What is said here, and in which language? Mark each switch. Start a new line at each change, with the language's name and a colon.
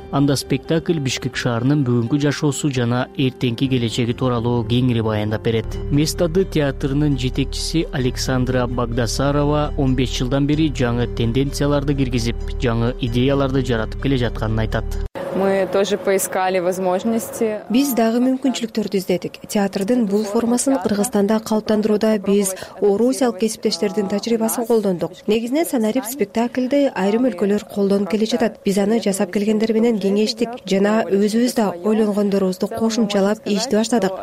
Kyrgyz: Анда спектакль Бишкек шаарынын бүгүнкү жашоосу жана эртеңки келечеги тууралуу кеңири баяндап берет. Место Д театрынын жетекчиси Александра Багдасарова 15 жылдан бери жаңы тенденцияларды киргизип, жаңы идеяларды жаратып келе жатканын айтат.
Russian: Мы тоже поискали возможности.
Kyrgyz: Биз дагы мүмкүнчүлүктөрдү издедик. Театрдын бул формасын Кыргызстанда калыптандырууда биз орусиялык кесиптештердин тажрыйбасын колдондук. Негизинен санарип спектаклди айрым өлкөлөр колдонуп келе жатат. Биз аны жасап келгендер менен кеңештик жана өзүбүз да ойлонгондорубузду кошумчалап ишти баштадык.